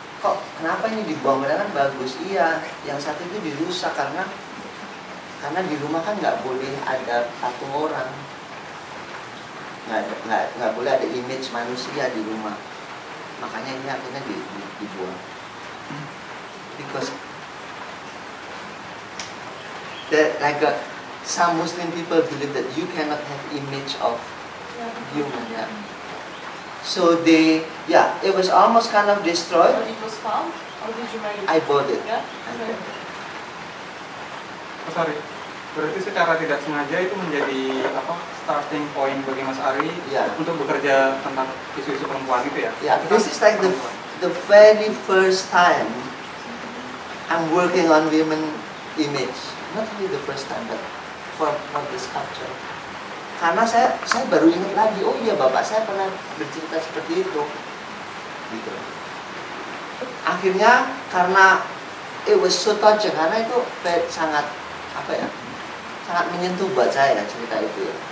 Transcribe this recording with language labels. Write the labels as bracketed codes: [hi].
[id] Kok kenapa ini dibuang kan bagus? Iya, yang satu itu dirusak karena di rumah kan nggak boleh ada patung orang, nggak boleh ada image manusia di rumah, makanya ini akhirnya dibuang. [en] Because that like some Muslim people believe that you cannot have image of human. Yeah. So they, yeah, it was almost kind of destroyed. But it was found, or did you make it? I bought it. Yeah. Oh, sorry. [id] Berarti secara tidak sengaja itu menjadi apa starting point bagi Mas Ari untuk bekerja tentang isu-isu perempuan gitu ya? [en] Yeah. This is like the very first time I'm working on women image. Not only the first time, but for the sculpture. [id] Karena saya baru ingat lagi, oh iya bapak saya pernah bercerita seperti itu gitu. Akhirnya karena [en] it was so touching, [id] karena itu sangat apa ya, sangat menyentuh buat saya cerita itu.